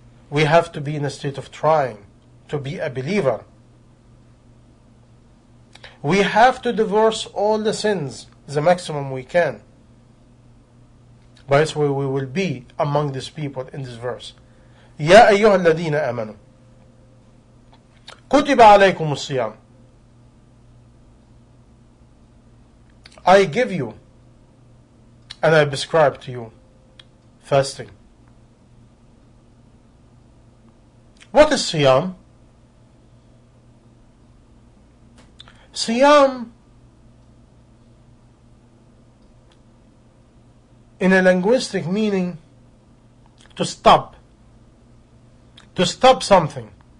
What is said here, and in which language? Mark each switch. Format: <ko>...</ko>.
<en>We have to be in a state of trying to be a believer. We have to divorce all the sins the maximum we can. By this way, we will be among these people in this verse.</en> <ar>يا أيها الذين آمنوا كتب عليكم الصيام.</ar> <en>I give you and I prescribe to you fasting. What is siyam? Siyam in a linguistic meaning to stop something.</en>